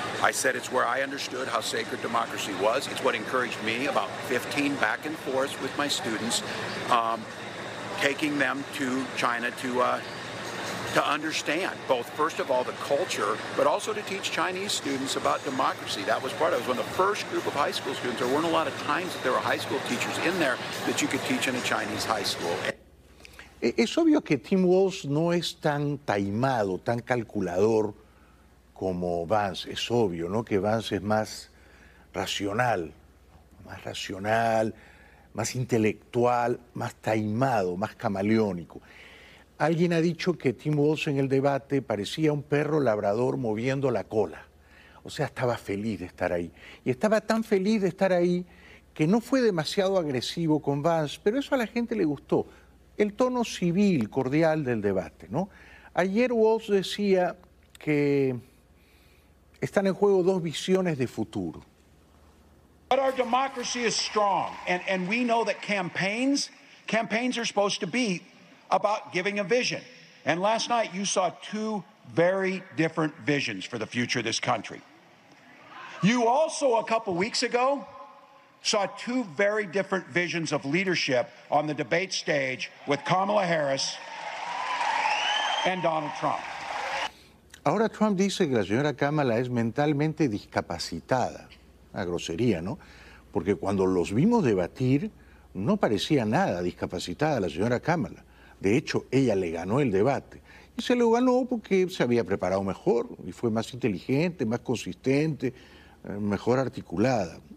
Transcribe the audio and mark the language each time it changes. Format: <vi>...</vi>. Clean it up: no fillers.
<en>I said it's where I understood how sacred democracy was. It's what encouraged me about 15 back and forth with my students, taking them to China to understand both, first of all, the culture, but also to teach Chinese students about democracy. That was part of it. It was one of the first group of high school students. There weren't a lot of times that there were high school teachers in there that you could teach in a Chinese high school.</en> <es>Es obvio que Tim Walz no es tan taimado, tan calculador como Vance. Es obvio, ¿no?, que Vance es más racional, más intelectual, más taimado, más camaleónico. Alguien ha dicho que Tim Walz en el debate parecía un perro labrador moviendo la cola. O sea, estaba feliz de estar ahí. Y estaba tan feliz de estar ahí que no fue demasiado agresivo con Vance, pero eso a la gente le gustó. El tono civil, cordial del debate, ¿no? Ayer Walz decía que están en juego dos visiones de futuro.</es> <en>But our democracy is strong, and we know that campaigns are supposed to be about giving a vision. And last night you saw two very different visions for the future of this country. You also, a couple weeks ago, saw two very different visions of leadership on the debate stage with Kamala Harris and Donald Trump.</en> <es>Ahora Trump dice que la señora Kamala es mentalmente discapacitada. Una grosería, ¿no? Porque cuando los vimos debatir, no parecía nada discapacitada la señora Kamala. De hecho, ella le ganó el debate. Y se lo ganó porque se había preparado mejor y fue más inteligente, más consistente, mejor articulada.</es>